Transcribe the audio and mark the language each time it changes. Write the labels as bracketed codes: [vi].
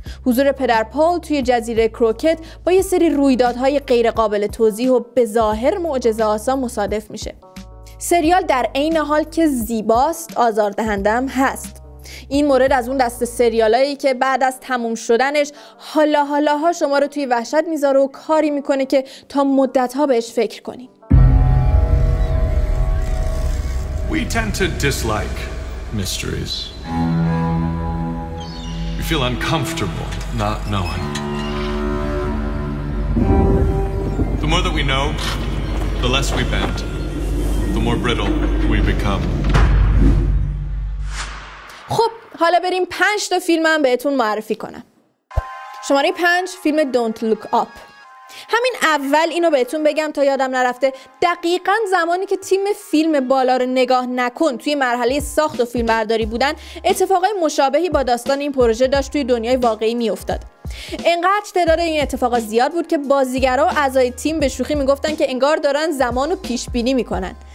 [fa] حضور پدر پال توی جزیره کروکت با یه سری رویدادهای غیر قابل توضیح و به ظاهر معجزه آسا مصادف میشه. سریال در عین حال که زیباست، آزاردهنده هم هست. این مورد از اون دست سریالایی که بعد از تموم شدنش حالا حالاها شما رو توی وحشت میذاره و کاری میکنه که تا مدت‌ها بهش فکر کنین. [en] We tend to dislike mysteries. You feel uncomfortable not knowing. The more that we know, the less we bend. The more brittle we become. [fa] خب حالا بریم 5 تا فیلم هم بهتون معرفی کنم. شماره 5، فیلم Don't Look Up. همین اول اینو بهتون بگم تا یادم نرفته، دقیقاً زمانی که تیم فیلم بالا رو نگاه نکن توی مرحله ساخت و فیلمبرداری بودن، اتفاقای مشابهی با داستان این پروژه داشت توی دنیای واقعی میافتاد. انقدر تعداد این اتفاقا زیاد بود که بازیگرا و اعضای تیم به شوخی میگفتن که انگار دارن زمانو پیش بینی میکنن.